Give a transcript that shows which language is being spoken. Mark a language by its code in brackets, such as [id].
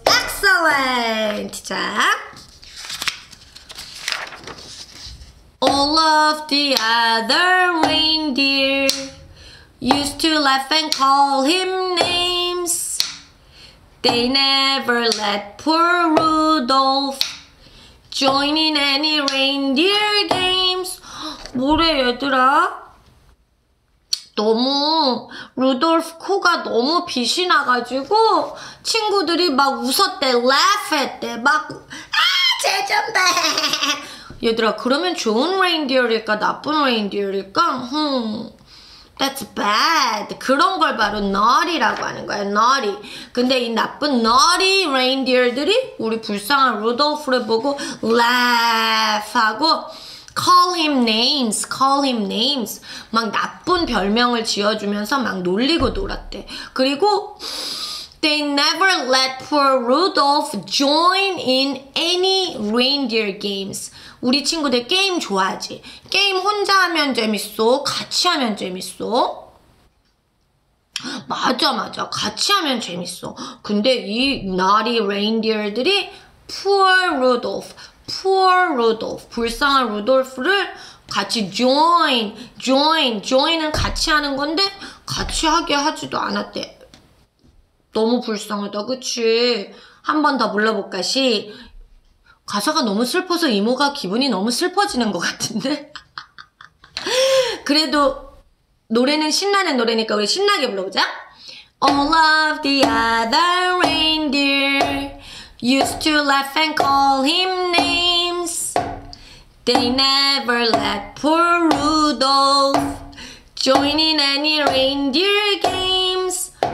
[en] Excellent! 자, all of the other reindeer used to laugh and call him names. They never let poor Rudolph join in any reindeer games. [ko] 뭐래 얘들아? 너무 루돌프 코가 너무 빛이 나가지고 친구들이 막 웃었대, laugh 했대, 막 아, 쟤 좀 봐. 얘들아, 그러면 좋은 레인디어일까 나쁜 레인디어일까? [en] That's bad. [ko] 그런 걸 바로 naughty라고 하는 거야, naughty. 근데 이 나쁜 naughty 레인디어들이 우리 불쌍한 루돌프를 보고 laugh 하고 [en] call him names, call him names. [ko] 막 나쁜 별명을 지어주면서 막 놀리고 놀았대. 그리고 [en] they never let poor Rudolph join in any reindeer games. [ko] 우리 친구들 게임 좋아하지? 게임 혼자 하면 재밌어? 같이 하면 재밌어? 맞아 맞아. 같이 하면 재밌어. 근데 이 naughty reindeer들이 [en] poor Rudolph, poor Rudolph, [ko] 불쌍한 루돌프를 같이 join, join, join은 같이 하는 건데 같이 하게 하지도 않았대. 너무 불쌍하다, 그치? 한 번 더 불러볼까, 시? 가사가 너무 슬퍼서 이모가 기분이 너무 슬퍼지는 것 같은데? 그래도 노래는 신나는 노래니까 우리 신나게 불러보자. [en] All of the other reindeer used to laugh and call him names. They never let poor Rudolph join in any reindeer games.